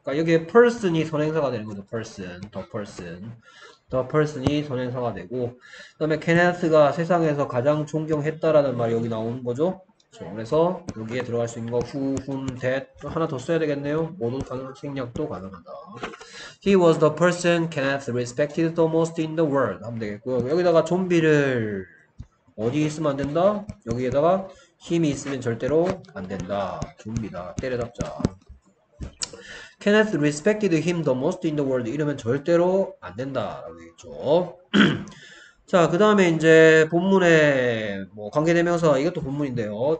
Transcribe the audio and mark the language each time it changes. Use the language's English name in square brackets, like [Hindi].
[Korean] 그러니까 여기에 person이 선행사가 되는 거죠. person, the person, the person이 선행사가 되고, 그다음에 케네스가 세상에서 가장 존경했다라는 말이 여기 나오는 거죠. 그래서 여기에 들어갈 수 있는 거 who, whom, that 하나 더 써야 되겠네요. 모두 가능, 생략도 가능하다. [English] He was the person Kenneth respected the most in the world [Korean] 하면 되겠고요. 여기다가 좀비를 어디 있으면 안 된다? 여기에다가 힘이 있으면 절대로 안 된다. 좀비다. 때려잡자. [English] Kenneth respected him the most in the world [Korean] 이러면 절대로 안 된다. 라고 되겠죠. 자, 그 다음에 이제 본문에 뭐 관계대명사 이것도 본문인데요.